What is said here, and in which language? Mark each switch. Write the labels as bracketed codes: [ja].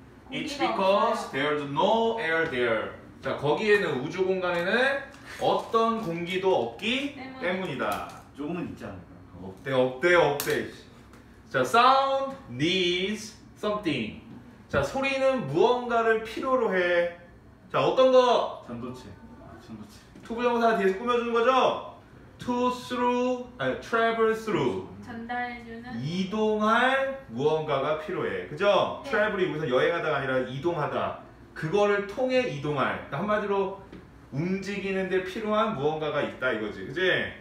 [en] It's because there's no air there. [ko] 자 거기에는 우주 공간에는 어떤 공기도 없기 때문이다. 조금은 있지 않을까? 없대 없대 없대. [en] 자 sound needs something. [ko] 자 소리는 무언가를 필요로 해. 자 어떤 거? 전도체. 전도체. 투부 정사 뒤에서 꾸며주는 거죠? [en] To through, [ko] 아니 [en] travel through. [ko] 전달해주는 이동할 무언가가 필요해. 그죠? 네. travel이 우선 여행하다가 아니라 이동하다 그거를 통해 이동할 한마디로 움직이는 데 필요한 무언가가 있다 이거지. 그지?